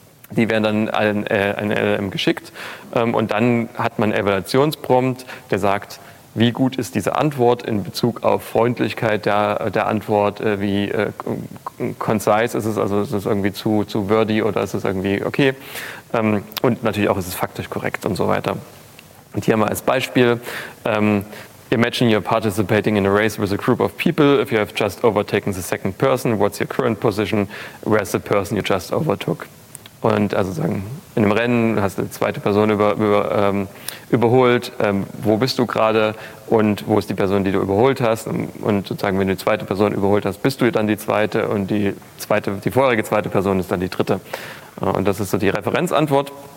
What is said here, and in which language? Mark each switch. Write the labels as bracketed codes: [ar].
[de] Die werden dann an ein LLM geschickt und dann hat man einen Evaluationsprompt, der sagt, wie gut ist diese Antwort in Bezug auf Freundlichkeit der Antwort, wie concise ist es, also ist es irgendwie zu wordy oder ist es irgendwie okay. Und natürlich auch, ist es faktisch korrekt und so weiter. Und hier mal als Beispiel. [en] Imagine you're participating in a race with a group of people. If you have just overtaken the second person, what's your current position? Where's the person you just overtook? [de] Und also sagen, in einem Rennen hast du die zweite Person überholt. Wo bist du gerade? Und wo ist die Person, die du überholt hast? Und sozusagen, wenn du die zweite Person überholt hast, bist du dann die zweite. Und die vorherige zweite Person ist dann die dritte. Und das ist so die Referenzantwort.